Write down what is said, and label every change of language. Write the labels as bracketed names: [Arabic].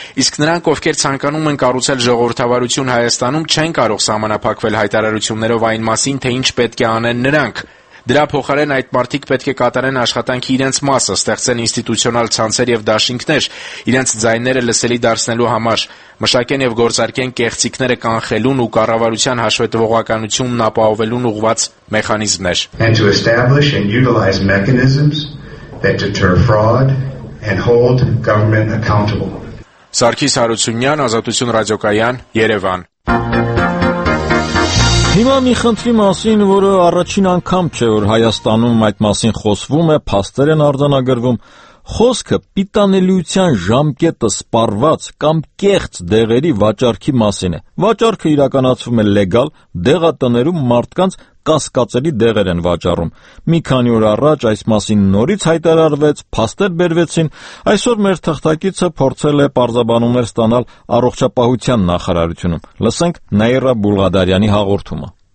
[Armenian] իսկ նրանք, ովքեր ցանկանում են կառուցել ժողովրդավարություն Հայաստանում, չեն կարող համանափակվել հայտարարություններով այն մասին, թե ինչ պետք է անեն նրանք։ Դրա փոխարեն այդ մարդիկ պետք է կատարեն աշխատանքի իրենց մասը, ստեղծեն ինստիտուցիոնալ ցանցեր եւ դաշինքներ իրենց ձայները լսելի դարձնելու համար, մշակեն եւ գործարկեն կեղծիքները կանխելուն ու կառավարության հաշվետվողականությունն ապահովելուն ուղված մեխանիզմներ։ [English] And to establish and utilize mechanisms that deter fraud and hold government accountable. [Armenian] Սարգիս Հարությունյան, Ազատություն ռադիոկայան, Երևան։ Հիմա մի խնդրի մասին, որը առաջին անգամ չէ, որ Հայաստանում այդ մասին խոսվում է, փաստեր են արձանագրվում, խոսքը պիտանելիության ժամկետը սպառված կամ կեղծ դեղերի վաճարքի մասին է։ Վաճարքը իրականացվում է լեգալ, դեղատներում մարդկանց կասկածելի դեղեր են վաճառում։ Մի քանի օր առաջ այս մասին նորից հայտարարվեց, փաստեր բերվեցին, այսօր մեր թղթակիցը փորձել է պարզաբանումներ ստանալ առողջապահության նախարարությունում։ Լսենք Նաիրա Բուլղադարյանի հաղորդումը։